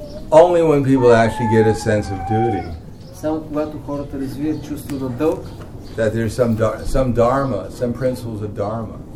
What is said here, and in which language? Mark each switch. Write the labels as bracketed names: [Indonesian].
[English] Only when people actually get a sense of duty. [Bulgarian] Само когато хората развият чувство на дълг. [English] That there's some dharma, some principles of dharma.